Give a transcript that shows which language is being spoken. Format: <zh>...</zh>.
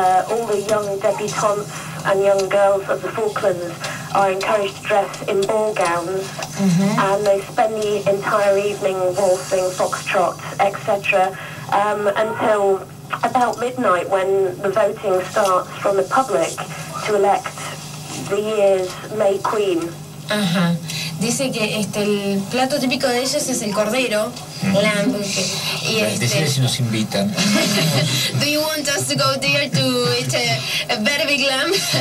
<en>All the young debutantes and young girls of the Falklands are encouraged to dress in ball gowns, mm-hmm. and they spend the entire evening waltzing, foxtrot, etc., until about midnight, when the voting starts from the public to elect the year's May Queen. Uh-huh.</en> <es>Dice que el plato típico de ellos es el cordero, lamb. Okay. Y decide si nos invitan.</es> <en>Do you want us to go there to eat a very big lamb?</en>